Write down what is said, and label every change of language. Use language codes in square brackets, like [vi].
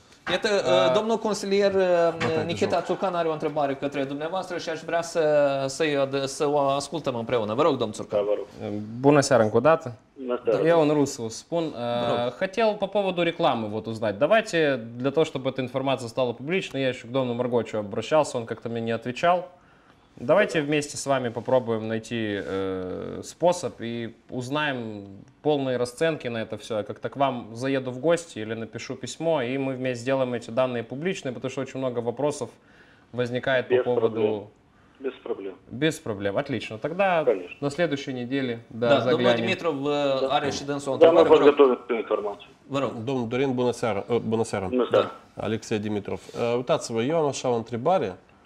[ro] Iată, domnul consilier Nicheta Țurcan are o întrebare către dumneavoastră și aș vrea să o ascultăm împreună. Vă rog, domnul Țurcan. Vă rog. Bună seara încă o dată. Eu în rusă o spun. [ru] Хотел по поводу рекламы вот узнать. Давайте, для того, чтобы эта информация стала публичной, я еще к domnul Morgociu обращался, он как-то мне не отвечал. Давайте вместе с вами попробуем найти способ и узнаем полные расценки на это все. Я как-то к вам заеду в гости или напишу письмо, и мы вместе сделаем эти данные публичные, потому что очень много вопросов возникает без по поводу... Проблем. Без проблем. Без проблем. Отлично. Тогда конечно. На следующей неделе да, да, заглянем. Да, Дмитро, в Ариш и Денсон. Да, мы подготовим эту информацию. [ro] Domnul Dorin, bună seara. Bună seara. Da. Alexei Dimitrov. Uitați-vă, eu am așa o întrebare.